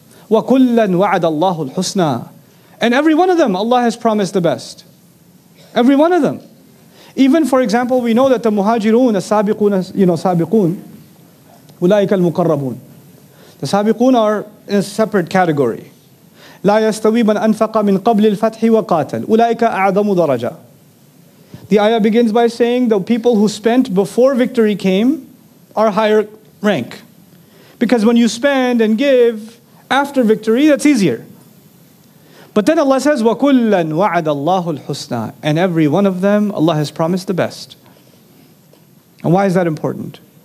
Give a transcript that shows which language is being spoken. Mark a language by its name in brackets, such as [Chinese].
[Arabic] وَكُلًّا وَعَدَ اللَّهُ الْحُسْنَى. [English] And every one of them, Allah has promised the best. Every one of them. Even, for example, we know that the muhajirun, as-sabiquna, you know, sabiqun, [Arabic] أُولَٰئِكَ الْمُقَرَّبُونَ. [English] The sabiqun are in a separate category. [Arabic] لا يستوي من أنفق من قبل الفتح وقاتل أولئك أعظم درجة. [English] The ayah begins by saying the people who spent before victory came are higher rank, because when you spend and give after victory, that's easier. But then Allah says [Arabic] وَكُلًّا وَعَدَ اللَّهُ الْحُسْنَى, [English] and every one of them Allah has promised the best. And why is that important?